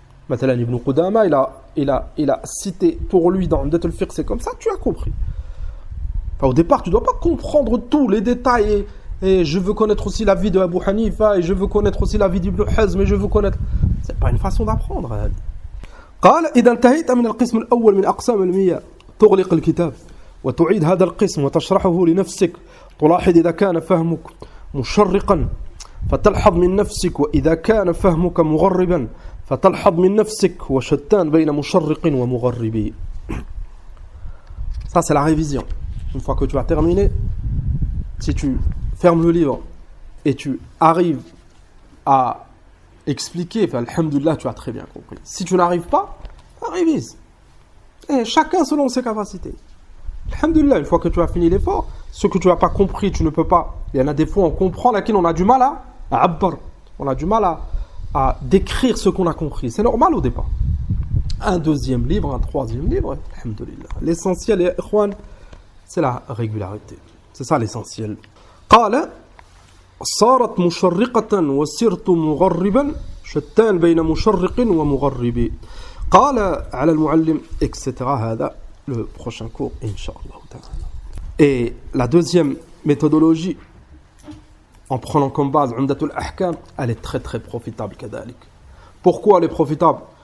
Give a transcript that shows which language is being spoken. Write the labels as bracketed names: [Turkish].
[French] مثلاً ابن قدامة il a cité pour lui dans عمدة الفقه, c'est comme ça, tu as compris. Enfin, au départ, tu ne dois pas comprendre tous les détails et je veux connaître aussi l'avis de Abu Hanifa et je veux connaître aussi l'avis d'Ibn Hazm et je veux connaître. Ce n'est pas une façon d'apprendre. [Arabic] قال إذا انتهيت من القسم الأول من أقسام المية تغلق الكتاب وتعيد هذا القسم وتشرحه لنفسك تلاحظ إذا كان فهمك مشرقا فتلحظ من نفسك وإذا كان فهمك مغربا فتلحظ من نفسك وشتان بين مشرق ومغربي. [French] Ça c'est la révision. Une fois que tu as terminé, si tu fermes le livre et tu arrives à expliquer, alhamdoulilah, tu as très bien compris. Si tu n'arrives pas, révise. Et chacun selon ses capacités. Alhamdoulilah, une fois que tu as fini l'effort, ce que tu n'as pas compris, tu ne peux pas. Il y en a des fois, on comprend, laquelle on a du mal à abbar. On a du mal à décrire ce qu'on a compris. C'est normal au départ. Un deuxième livre, un troisième livre, alhamdoulilah. L'essentiel est, Ikhwan, c'est la régularité. C'est ça l'essentiel. [Arabic] قال صارت مشرقة وصرت مغربا شتان بين مشرق ومغربي. قال على المعلم etc. [French] هذا le prochain cours inshallah. Et la deuxième méthodologie en prenant comme base Umdatul Ahkam, elle est très très profitable كذلك. Pourquoi elle est profitable?